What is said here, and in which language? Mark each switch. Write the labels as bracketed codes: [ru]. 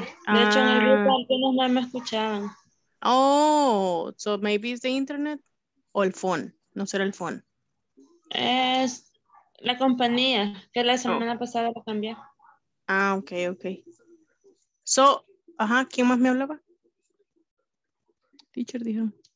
[es] De hecho, en el grupo algunos no me escuchaban. [en] Oh, so maybe it's the internet [es] o el [en] phone. [es] No será el phone. Es la compañía, que la semana pasada lo cambié. [en] Ah, okay, okay. So, [es] ajá, ¿quién más me hablaba? Teacher, dijeron.